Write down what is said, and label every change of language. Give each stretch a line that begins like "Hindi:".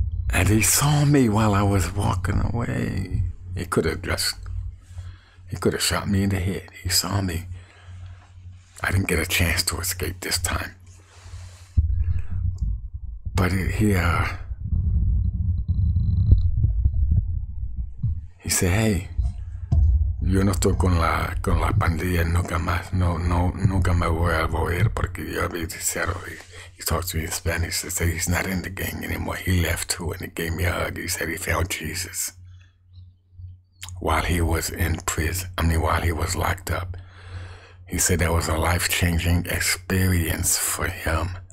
English: And he saw me while I was walking away. He could have shot me in the head. He saw me. I didn't get a chance to escape this time. But he said, hey,
Spanish: yo no estoy con la pandilla nunca más. Nunca me voy a volver porque yo había dicho.
English: He talked to me in Spanish. He said he's not in the gang anymore. He left too, and he gave me a hug. He said he found Jesus while he was in prison. I mean, while he was locked up. He said that was a life-changing experience for him.